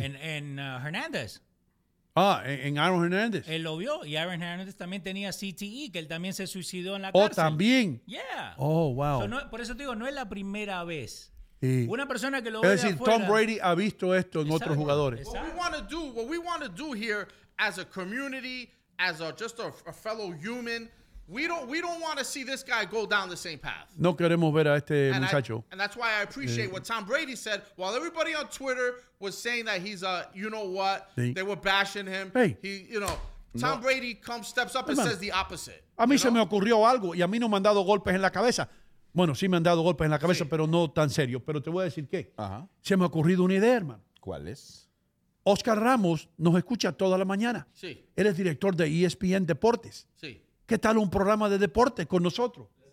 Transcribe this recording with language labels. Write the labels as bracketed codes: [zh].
[es] En Hernández. Ah, en Aaron Hernández. Él lo vio. Y Aaron Hernández también tenía CTE, que él también se suicidó en la cárcel. Oh, también. [en] Yeah. Oh, wow. So, [es] no, por eso te digo, no es la primera vez. Sí. Una persona que lo ve de afuera. Tom Brady ha visto esto en otros jugadores. [en] What we want to do here as a community, as a fellow human, we don't want to see this guy go down the same path. [es] No queremos ver a este muchacho. [en] And that's why I appreciate what Tom Brady said. While everybody on Twitter was saying that he's a, you know what, they were bashing him. Hey. Tom Brady steps up and says the opposite. [es] A mí se me ocurrió algo y a mí no me han dado golpes en la cabeza. Bueno, sí me han dado golpes en la cabeza, pero no tan serio. Pero te voy a decir qué. Ajá. Se me ha ocurrido una idea, hermano. ¿Cuál es? Oscar Ramos nos escucha toda la mañana. Sí. Él es director de ESPN Deportes. Sí. ¿Qué tal un programa de deportes con nosotros?